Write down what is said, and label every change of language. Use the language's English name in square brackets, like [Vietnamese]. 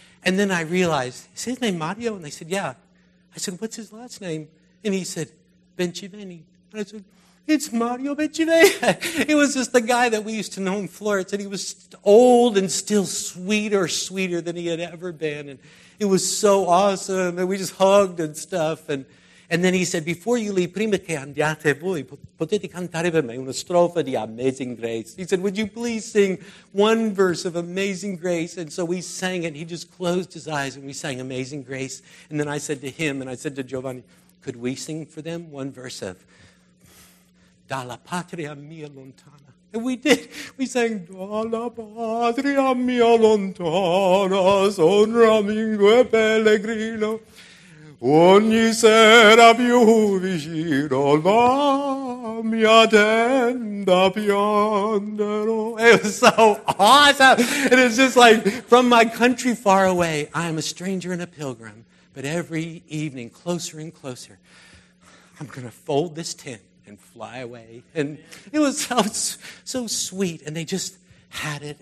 [English] And then I realized, is his name Mario? And they said, yeah. I said, what's his last name? And he said, Benciveni. And I said, it's Mario Benciveni. It was just the guy that we used to know in Florence. And he was old and still sweeter than he had ever been. And it was so awesome. And we just hugged and stuff. And then he said, before you leave, [Italian] prima che andiate voi, potete cantare per me una strofa di Amazing Grace. [English] He said, would you please sing one verse of Amazing Grace? And so we sang it, and he just closed his eyes, and we sang Amazing Grace. And then I said to him, and I said to Giovanni, could we sing for them one verse of Dalla Patria Mia Lontana? And we did. We sang Dalla Patria Mia Lontana, [Italian] son Ramingo e Pellegrino. Ogni sera più vicino la mia tenda pianderò. [English] It was so awesome. And it's just like, from my country far away, I am a stranger and a pilgrim. But every evening, closer and closer, I'm going to fold this tent and fly away. And it was so, so sweet. And they just had it.